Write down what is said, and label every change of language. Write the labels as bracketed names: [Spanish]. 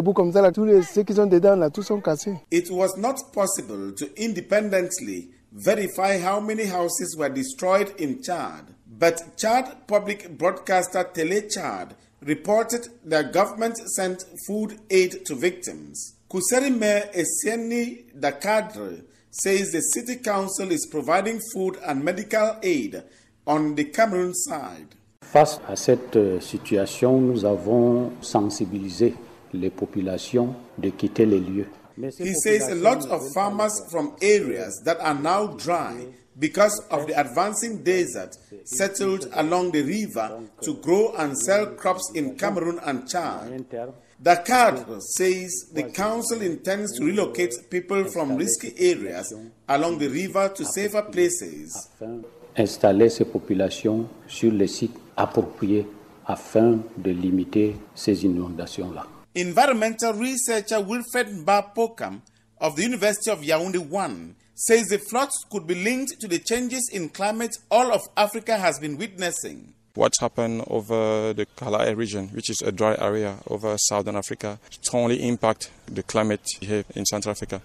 [English] It was not possible to independently verify how many houses were destroyed in Chad, but Chad public broadcaster Tele Chad reported that government sent food aid to victims. Kuseri Mayor Eseni Dakadre says the city council is providing food and medical aid on the Cameroon side. [French] Face à cette situation, nous avons sensibilisé les populations de quitter les lieux. [English] He says a lot of farmers from areas that are now dry because of the advancing desert settled along the river to grow and sell crops in Cameroon and Chad. Dakar says the council intends to relocate people from risky areas along the river to safer places. [French] Installer ces populations sur les sites appropriés afin de limiter ces inondations-là. [English] Environmental researcher Wilfred Mbapokam of the University of Yaoundé 1 says the floods could be linked to the changes in climate all of Africa has been witnessing. What's happened over the Kalahari region, which is a dry area over southern Africa, strongly impact the climate here in Central Africa.